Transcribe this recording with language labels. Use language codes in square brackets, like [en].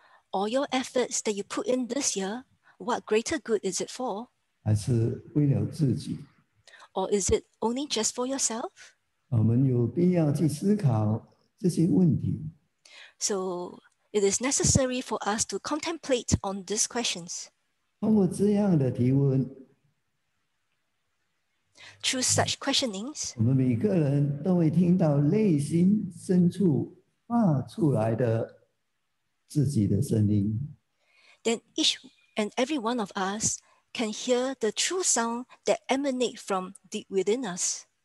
[en] All your efforts that you put in this year, what greater good is it for? [zh] 还是为了自己? [en] Or is it only just for yourself? [zh] 我们有必要去思考这些问题。 [en] So it is necessary for us to contemplate on these questions. [zh] 通过这样的提问, [en] through such questionings, [zh] 我们每个人都会听到内心深处发出来的自己的声音。 [en] Then each and every one of us can hear the true sound that emanate from deep within us.